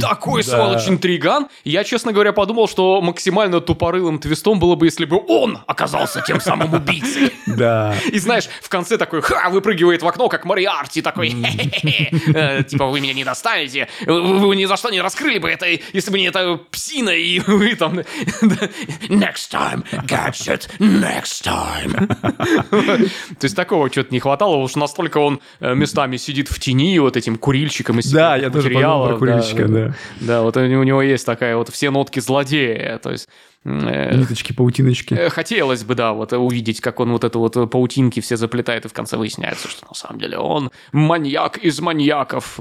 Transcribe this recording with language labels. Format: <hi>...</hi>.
<ru>Такой, да, сволочь интриган. Я, честно говоря, подумал, что максимально тупорылым твистом было бы, если бы он оказался тем самым убийцей. Да. И знаешь, в конце такой ха, выпрыгивает в окно, как Мориарти такой, типа, вы меня не достанете, вы ни за что не раскрыли бы это, если бы не эта псина и вы там...</ru> <en>Next time, gadget, next time.</en> <ru>То есть такого что-то не хватало, уж настолько только он местами сидит в тени вот этим курильщиком из материала. Да, я тоже подумал про курильщика, да. Да, вот у него есть такая вот все нотки злодея, то есть... Ниточки, паутиночки. Хотелось бы, да, вот увидеть, как он вот это вот паутинки все заплетает, и в конце выясняется, что на самом деле он маньяк из маньяков.</ru>